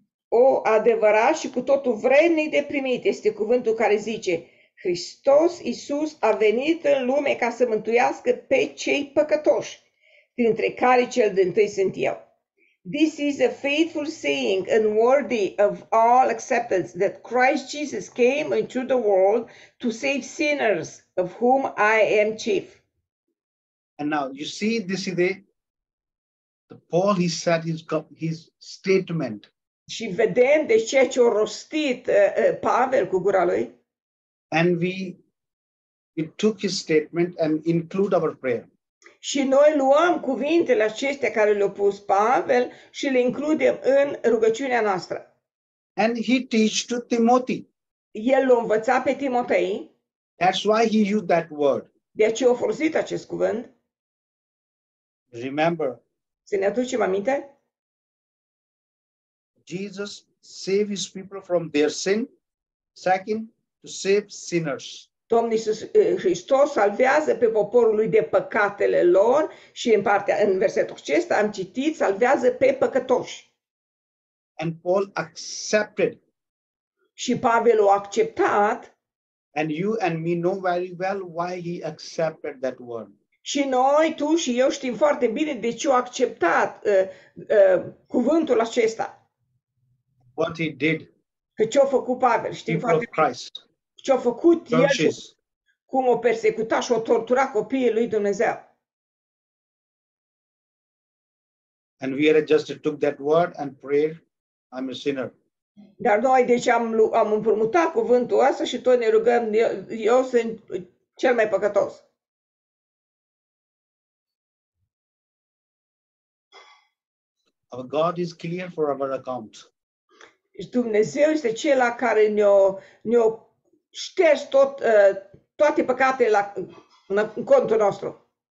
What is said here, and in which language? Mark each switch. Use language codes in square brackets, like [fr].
[ro] O adevărat și cu totul vrednic de primit este cuvântul care zice Hristos Iisus a venit în lume ca să mântuiască pe cei păcătoși, dintre care cel dintâi sunt eu. [en] This is a faithful saying and worthy of all acceptance that Christ Jesus came into the world to save sinners, of whom I am chief. And now you see this is the Paul he said his statement. [ro] Și vedem de ce a rostit Pavel cu gura lui. [en] And we took his statement and include our prayer. [ro] Și noi luăm cuvintele acestea care le-a pus Pavel și le includem în rugăciunea noastră. [en] And he teach to Timothy. [ro] El l-a învățat pe Timotei. [en] That's why he used that word. [ro] De aceea a folosit acest cuvânt. [en] Remember. [ro] Să ne aducem aminte. [en] Jesus save his people from their sin. Second, to save sinners. [ro] Domnul Iisus Hristos salvează pe poporul lui de păcatele lor și în partea în versetul acesta am citit salvează pe păcătoși. [en] And Paul accepted. [ro] Și Pavel a acceptat. [en] And you and me know very well why he accepted that word. [ro] Și noi, tu și eu știm foarte bine de ce a acceptat cuvântul acesta. [en] What he did. [ro] Că ce a făcut Pavel, știm foarte bine. [en] Christ. [ro] Ce-a făcut Iisus, cum o persecuta și o tortura copiii lui Dumnezeu. [en] And we are just took that word and prayed, I'm a sinner. [ro] Dar noi deci am împrumutat cuvântul ăsta și tot ne rugăm, eu sunt cel mai păcătos. [en] Our God is clear for our account. [ro] Dumnezeu este cel care ne-o șterge tot toate păcatele la în contul nostru.